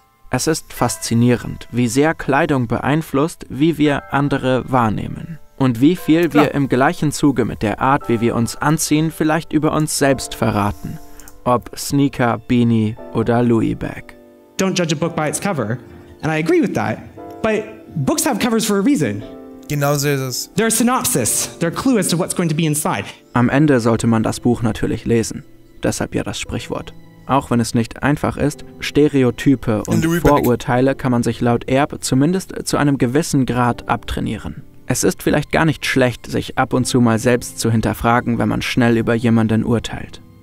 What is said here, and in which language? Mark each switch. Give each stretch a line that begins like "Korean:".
German: Es ist faszinierend, wie sehr Kleidung beeinflusst, wie wir andere wahrnehmen. Und wie viel wir im gleichen Zuge mit der Art, wie wir uns anziehen, vielleicht über uns selbst verraten. Ob Sneaker, Beanie oder Louis Bag.
English: Don't judge a book by its cover. And I agree with that. But books have covers for a reason.
German: Genau so ist es.
English: They're a synopsis. They're a clue as to what's going to be inside.
German: Am Ende sollte man das Buch natürlich lesen. Deshalb ja das Sprichwort. Auch wenn es nicht einfach ist, Stereotype und Vorurteile kann man sich laut Erb zumindest zu einem gewissen Grad abtrainieren. Es ist vielleicht gar nicht schlecht, sich ab und zu mal selbst zu hinterfragen, wenn man schnell über jemanden urteilt.